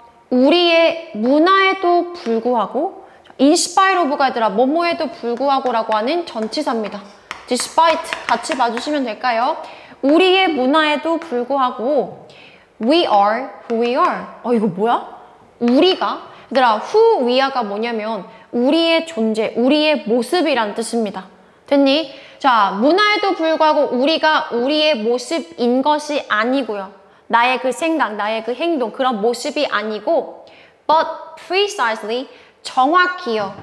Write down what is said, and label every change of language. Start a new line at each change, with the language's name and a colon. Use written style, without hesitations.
Korean: 우리의 문화에도 불구하고 inspire of가 얘들아 뭐뭐에도 불구하고 라고 하는 전치사입니다. despite 같이 봐주시면 될까요? 우리의 문화에도 불구하고
English: we are who we are.
Korean: 이거 뭐야? 우리가? 얘들아
English: who we are
Korean: 가 뭐냐면 우리의 존재, 우리의 모습이란 뜻입니다. 됐니? 자, 문화에도 불구하고 우리가 우리의 모습인 것이 아니고요. 나의 그 생각, 나의 그 행동, 그런 모습이 아니고
English: but precisely,
Korean: 정확히요.